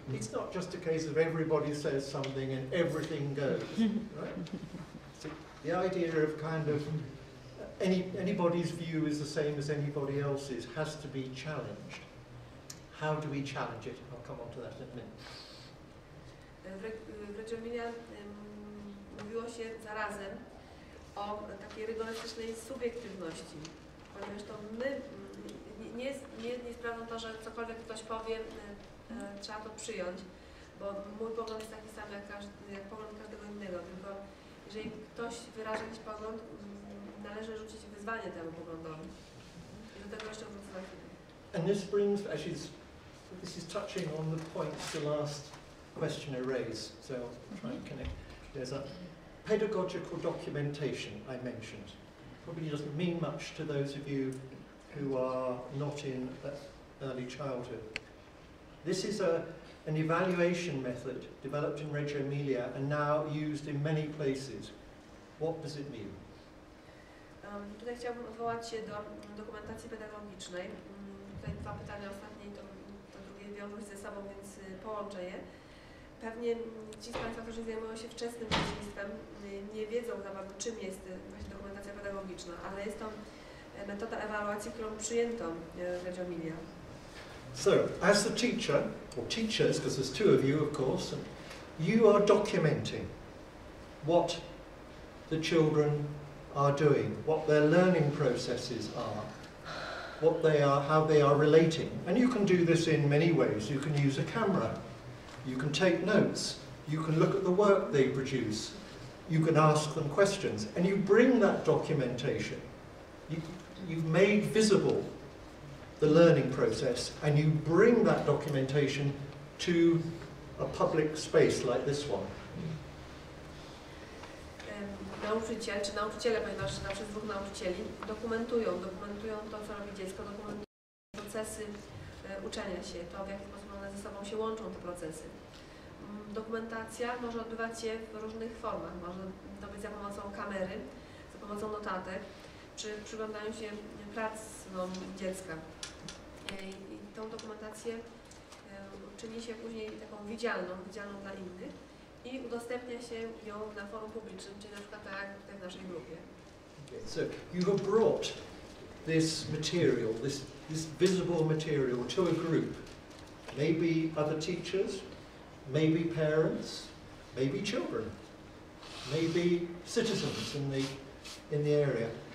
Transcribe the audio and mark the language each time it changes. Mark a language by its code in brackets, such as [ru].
[en] It's not just a case of everybody says something and everything goes, right? So the idea of kind of anybody's view is the same as anybody else's has to be challenged. How do we challenge it? I'll come on to that in a minute. [pl] W Reggio Emilia mówiło się zarazem o takiej rygorystycznej subiektywności, ponieważ to my, nie jest sprawą to, że cokolwiek ktoś powie, trzeba to przyjąć, bo mój pogląd jest taki sam jak pogląd każdego innego, tylko jeżeli ktoś wyraża jakiś pogląd, należy rzucić wyzwanie temu poglądowi. I do tego jeszcze wrócę za chwilę. [en] And this brings, this is touching on the point the last question arose, so I'll try and connect. There's a pedagogical documentation I mentioned. Probably doesn't mean much to those of you who are not in early childhood. This is an evaluation method developed in Reggio Emilia and now used in many places. What does it mean? [pl] Tutaj chciałabym odwołać się do dokumentacji pedagogicznej. Tutaj dwa pytania ostatnie i to drugie wiążą się ze sobą, więc połączę je. Pewnie ci z Państwa, którzy zajmują się wczesnym dzieciństwem, nie wiedzą za bardzo, czym jest właśnie dokumentacja pedagogiczna, ale jest to metoda ewaluacji, którą przyjęto w Reggio Emilia. [en] So, as the teacher, or teachers, because there's two of you, of course, you are documenting what the children are doing, what their learning processes are, what they are, how they are relating. And you can do this in many ways. You can use a camera. You can take notes, you can look at the work they produce, you can ask them questions, and you bring that documentation. You've made visible the learning process, and you bring that documentation to a public space like this one. [pl] Nauczyciel, czy nauczyciele, ponieważ zawsze dwóch nauczycieli, dokumentują to, co robi dziecko, dokumentują procesy uczenia się, to w jaki sposób one ze sobą się łączą, te procesy. Dokumentacja może odbywać się w różnych formach. Może to być za pomocą kamery, za pomocą notatek, czy przyglądają się pracom dziecka. I tą dokumentację czyni się później taką widzialną dla innych i udostępnia się ją na forum publicznym, czyli na przykład tak jak w naszej grupie. [en] So you have brought this material, this visible material to a group. Maybe other teachers, maybe parents, maybe children, maybe citizens in the area.